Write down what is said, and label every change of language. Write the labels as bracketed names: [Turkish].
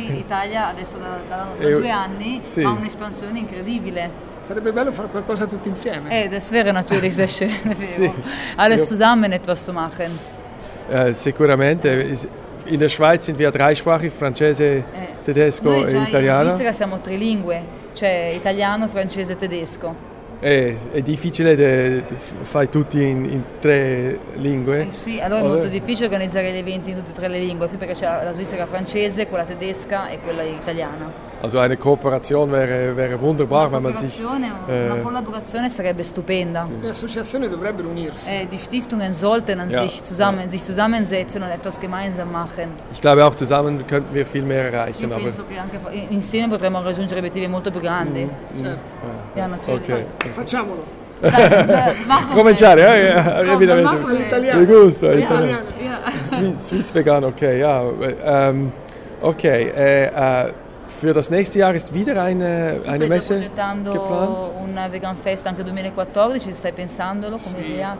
[Italian] Italia adesso da 2 anni, sì. Ha un'espansione incredibile. Sarebbe bello fare qualcosa tutti insieme. [German] Das wäre natürlich sehr schön, sì. Alles zusammen etwas zu machen. [Italian] Sicuramente. [German] In der Schweiz sind wir dreisprachig, [Italian] francese, tedesco e italiano. In Svizzera siamo trilingue, cioè italiano, francese e tedesco. È difficile fare tutti in tre lingue. Sì, allora è molto difficile organizzare gli eventi in tutte e tre le lingue, sì, perché c'è la Svizzera francese, quella tedesca e quella italiana. [German] Also eine Kooperation wäre wunderbar, wenn man sich... [Italian] Una collaborazione sarebbe stupenda. Le associazioni dovrebbero unirsi. [German] Die Stiftungen sollten an sich zusammen, sich zusammensetzen und etwas gemeinsam machen. Ich glaube, auch zusammen könnten wir viel mehr erreichen. [Italian] Io penso che anche insieme potremmo raggiungere obiettivi molto più grandi. Certo. [German] Ja, natürlich. Okay. [Italian] Facciamolo. Cominciare, evidentemente. Con l'italiano. Di gusto, italiano. [German] Swiss vegan, ok, ja. Ok, für das nächste Jahr ist wieder eine Messe geplant. [Italian] Un vegan fest anche 2014, stai pensandolo come idea?